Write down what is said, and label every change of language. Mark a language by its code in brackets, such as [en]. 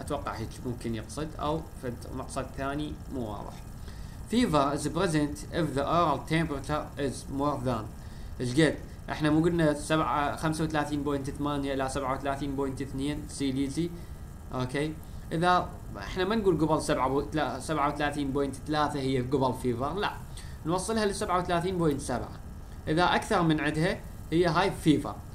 [ar] أتوقع هيك ممكن يقصد أو في مقصد ثاني مو واضح. [en] Fever is present if the oral temperature is more than. [ar] إيش قد؟ إحنا مو قلنا 35.8 إلى 37.2 سيليزي. أوكي. إذا إحنا ما نقول قبل 37.3 هي قبل fever. لا. نوصلها ل 37.7. إذا أكثر من عدها هي هاي fever.